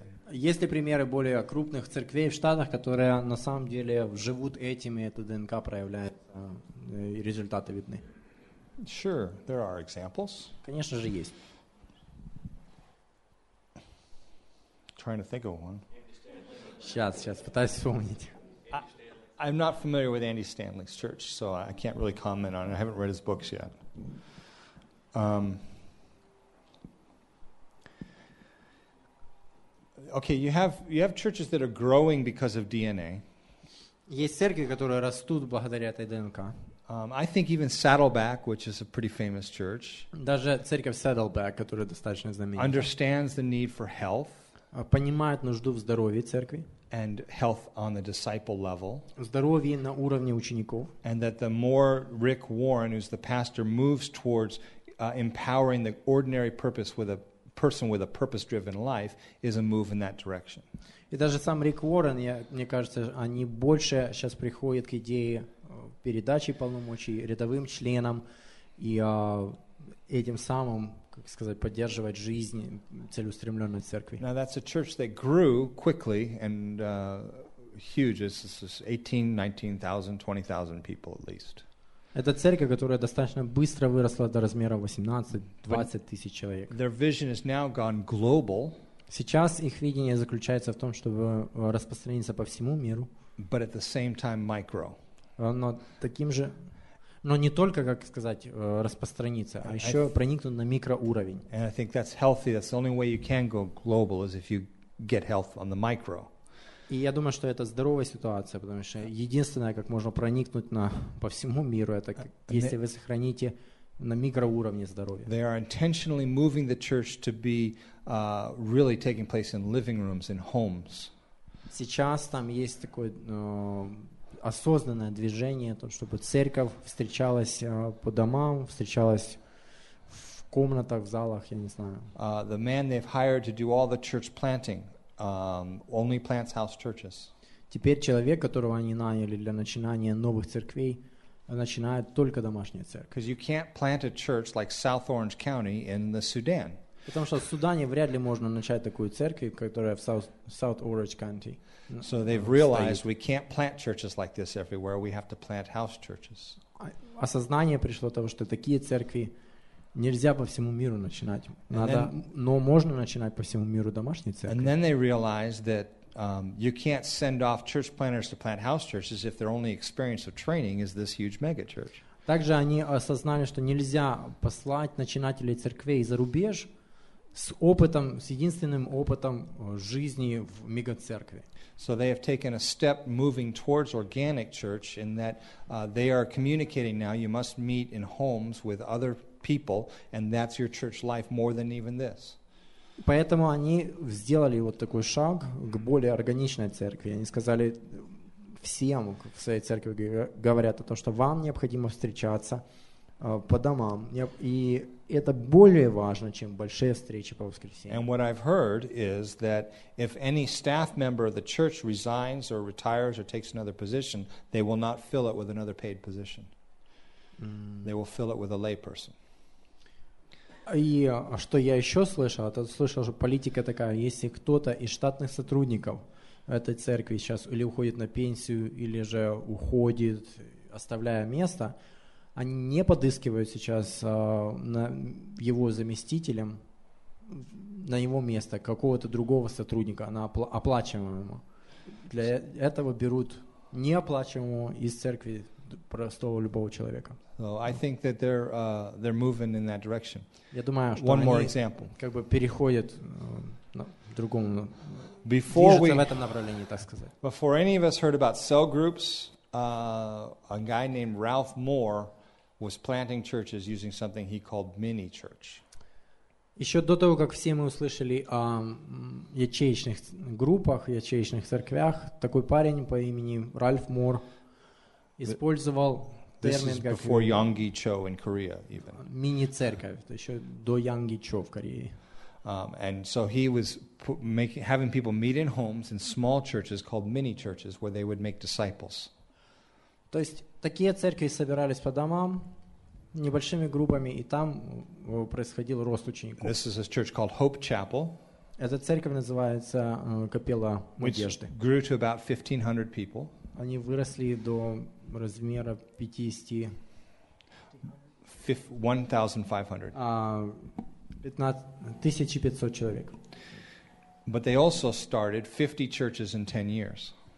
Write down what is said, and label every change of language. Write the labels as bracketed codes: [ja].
[ru] Есть ли примеры более крупных церквей в Штатах, которые на самом деле живут этим, и это ДНК проявляется, и результаты видны? [en] Sure, there are examples. [ru] Конечно же, есть. [en] Trying to think of one. [ru] Сейчас, пытаюсь вспомнить. [en] I'm not familiar with Andy Stanley's church, so I can't really comment on it. I haven't read his books yet. Okay, you have churches that are growing because of DNA. [ru] Есть церкви, которые растут благодаря этой ДНК. [en] I think even Saddleback, which is a pretty famous church, [ru] даже церковь Saddleback, которая достаточно знаменита, [en] understands the need for health. [ru] понимают нужду в здоровье церкви. [en] And health on the disciple level. [ru] Здоровье на уровне учеников. [en] And that the more Rick Warren, who's the pastor, moves towards empowering the ordinary purpose with a person with a purpose-driven life, is a move in that direction. [ru] И даже сам Рик Уоррен, мне кажется, они больше сейчас приходят к идее передачи полномочий рядовым членам и этим самым, как сказать, поддерживать жизнь целеустремленной церкви. [en] Now that's a church that grew quickly and huge. It's 18,000, 19,000, 20,000 people at least. [ru] Это церковь, которая достаточно быстро выросла до размера 18-20 тысяч человек. [en] Their vision has now gone global. [ru] Сейчас их видение заключается в том, чтобы распространиться по всему миру. [en] But at the same time micro. [ru] Но таким же, но не только, как сказать, распространиться, а еще проникнуть на микроуровень. [en] And I think that's healthy. That's the only way you can go global is if you get health on the micro. [ru] И я думаю, что это здоровая ситуация, потому что единственное, как можно проникнуть на, по всему миру, это если вы сохраните на микроуровне здоровье. [en] They are intentionally moving the church to be really taking place in living rooms, in homes. [ru] Сейчас там есть такое осознанное движение, то, чтобы церковь встречалась по домам, встречалась в комнатах, в залах, я не знаю. [en] The man they've hired to do all the church planting. Only plants house churches. [ru] Теперь человек, которого они наняли для начинания новых церквей, начинает только домашние церкви. [en] Because you can't plant a church like South Orange County in the Sudan. [ru] Потому что в Судане вряд ли можно начать такую церковь, которая в South Orange County. [en] So they've realized we can't plant churches like this everywhere. We have to plant house churches. [ru] Осознание пришло того, что такие церкви нельзя по всему миру начинать. Надо, но можно начинать по всему миру домашние церкви. [en] And then they realized that you can't send off church planters to plant house churches if their only experience of training is this huge mega church. [ru] Также они осознали, что нельзя послать начинателей церквей за рубеж с опытом, с единственным опытом жизни в мегацеркви. [en] So they have taken a step moving towards organic church in that they are communicating now you must meet in homes with other people, and that's your church life more than even this. [ru] Поэтому они сделали вот такой шаг к более органичной церкви. Они сказали всем в своей церкви говорят о том, что вам необходимо встречаться по домам, и это более важно, чем большие встречи по воскресеньям. [en] And what I've heard is that if any staff member of the church resigns or retires or takes another position, they will not fill it with another paid position. They will fill it with a lay person. [ru] И что я еще слышал, это слышал, что политика такая, если кто-то из штатных сотрудников этой церкви сейчас или уходит на пенсию, или же уходит, оставляя место, они не подыскивают сейчас на его заместителем на его место какого-то другого сотрудника, на оплачиваемого. Для этого берут неоплачиваемого из церкви простого любого человека. [en] So I think that they're moving in that direction. [ru] Я думаю, что [en] one more example. [ru] Как бы переходят в другом движутся в этом направлении, так сказать. [en] Before any of us heard about cell groups, a guy named Ralph Moore was planting churches using something he called mini church. [ru] Еще до того, как все мы услышали о ячеечных группах, ячеечных церквях, такой парень по имени Ральф Мор использовал термин, как [en] before Yonggi Cho in Korea, even. [ru] Мини-церковь, то еще до Yonggi Cho в Корее. [en] And so he was having people meet in homes in small churches called mini churches, where they would make disciples. [ru] То есть такие церкви собирались по домам небольшими группами, и там происходил рост учеников. [en] This is a church called Hope Chapel. [ru] Эта церковь называется Капелла Надежды. [en] Which grew to about 1,500 people. [ru] Они выросли до размера 1,500 человек. [en] But they also started 50 churches in 10 years.